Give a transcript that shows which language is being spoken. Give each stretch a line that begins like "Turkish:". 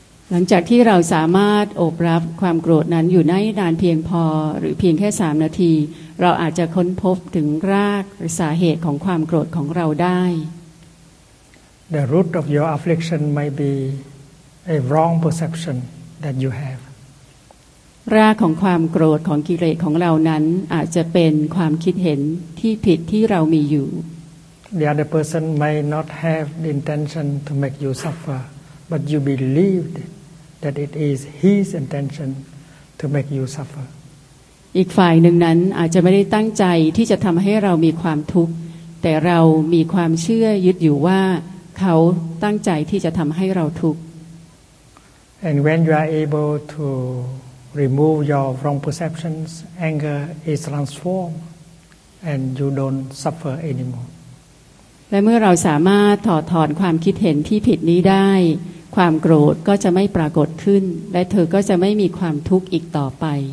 Thai: หลังจากที่เราสามารถอบรับความโกรธนั้นอยู่ได้นานเพียงพอหรือเพียงแค่3นาทีเราอาจจะค้นพบถึงรากหรือสาเหตุของความโกรธของเราได้
English: The root of your affliction might be a wrong perception that you have.
Thai: รากของความโกรธของกิเลสของเรานั้นอาจจะเป็นความคิดเห็นที่ผิดที่เรามีอยู่
English: The other person may not have the intention to make you suffer, but you believe that it is his intention to make you suffer.
Thai: อีกฝ่ายหนึ่งนั้นอาจจะไม่ได้ตั้งใจที่จะทำให้เรามีความทุกข์แต่เรามีความเชื่อยึดอยู่ว่าเขาตั้งใจที่จะทำให้เราทุกข์
English: And when you are able toremove your wrong perceptions anger is transformed and you don't suffer anymore
Thai: และเมื่อเราสามารถถอดถอนความคิดเห็นที่ผิดนี้ได้ความโกรธก็จะไม่ปรากฏขึ้นและเธอก็จะไม่มีความทุกข์อีกต่อไป